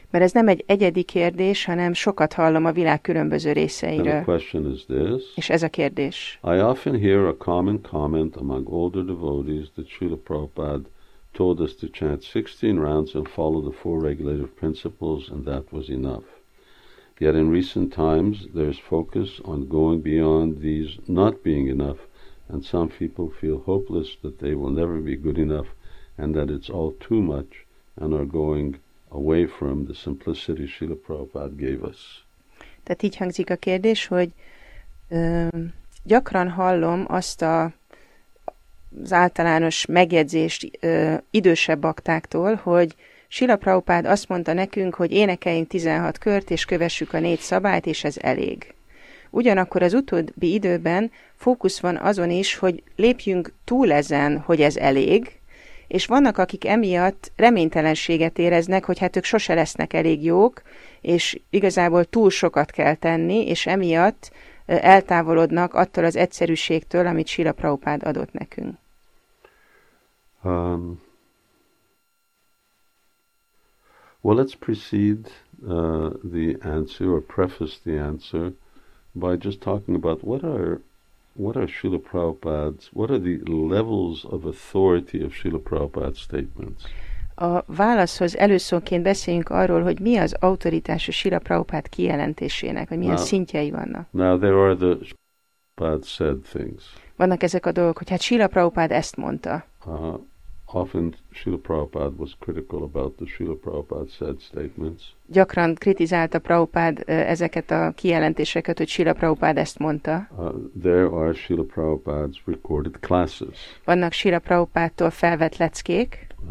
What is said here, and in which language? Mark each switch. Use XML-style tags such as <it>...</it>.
<hu>Mert ez nem egy egyedi kérdés, hanem sokat hallom a világ különböző részeiről.</hu> <en>And the question is this.</en> <hu>És ez a kérdés.</hu> <en>I often hear a common comment among older devotees that Srila Prabhupada told us to chant 16 rounds and follow the four regulative principles, and that was enough. Yet in recent times, there's focus on going beyond these not being enough, and some people feel hopeless that they will never be good enough, and that it's all too much, and are going away from the simplicity Srila Prabhupada gave us.</en> <hu>Tehát így hangzik a kérdés, hogy gyakran hallom azt az általános megjegyzést idősebb baktáktól, hogy Srila Prabhupád azt mondta nekünk, hogy énekeljünk 16 kört, és kövessük a négy szabályt, és ez elég. Ugyanakkor az utóbbi időben fókusz van azon is, hogy lépjünk túl ezen, hogy ez elég, és vannak, akik emiatt reménytelenséget éreznek, hogy hát ők sose lesznek elég jók, és igazából túl sokat kell tenni, és emiatt eltávolodnak attól az egyszerűségtől, amit Srila Prabhupád adott nekünk.</hu> <en>Well, let's precede the answer or preface the answer by just talking about what are Srila Prabhupada's, what are the levels of authority of Srila Prabhupada's statements.</en> <hu>A válaszhoz előszóként beszéljünk arról, hogy mi az autoritás a Srila Prabhupada kijelentésének, hogy milyen szintjei vannak.</hu> <en>Now there are the Prabhupada said things.</en> <hu>Vannak ezek a dolgok, hogy hát Srila Prabhupada ezt mondta.</hu> <en>Often Srila Prabhupada was critical about the Srila Prabhupada said statements.</en> <hu>Gyakran kritizálta Prabhupád ezeket a kijelentéseket, hogy Srila Prabhupád ezt mondta.</hu> <en>There are Srila Prabhupada's recorded classes.</en> <hu>Vannak Srila Prabhupádtól felvett leckék.</hu>